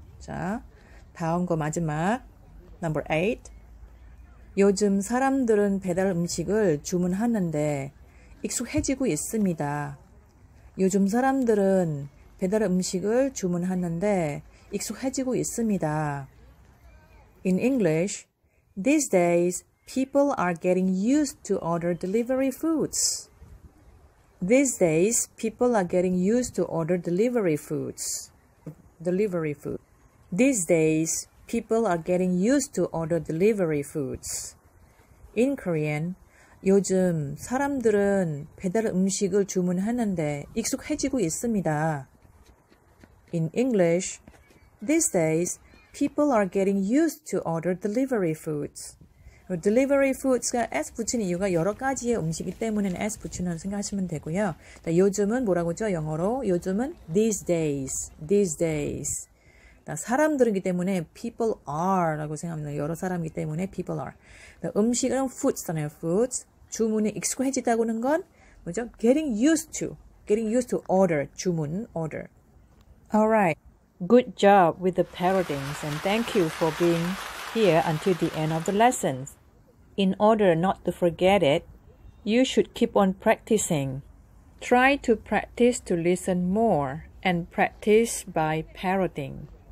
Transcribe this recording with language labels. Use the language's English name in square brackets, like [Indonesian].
[Korean] 자, 다음 거 마지막. [English] Number 8. [Korean] 요즘 사람들은 배달 음식을 주문하는데 익숙해지고 있습니다. 요즘 사람들은 배달 음식을 주문하는데 익숙해지고 있습니다. [English] In English, these days, people are getting used to order delivery foods. These days, people are getting used to order delivery foods. Delivery food. These days, people are getting used to order delivery foods. In Korean, [Korean] 요즘 사람들은 배달 음식을 주문하는데 익숙해지고 있습니다. [English] In English, these days, people are getting used to order delivery foods. delivery foods [Korean] 가 s 붙인 이유가 여러 가지의 음식이 때문에 s 붙이는 생각하시면 되고요. 자, 요즘은 뭐라고 하죠? 영어로 요즘은 [English] these days, these days. [Korean] 사람들이기 때문에 [English] people are [Korean] 라고 생각합니다. 여러 사람이기 때문에 people are. 음식은 foods 잖아요. foods. 주문이 익숙해지다고는 건 뭐죠? [English] getting used to. getting used to order. 주문, order. Alright. Good job with the parodies and thank you for being here until the end of the lesson. In order not to forget it, you should keep on practicing. Try to practice to listen more and practice by parodying.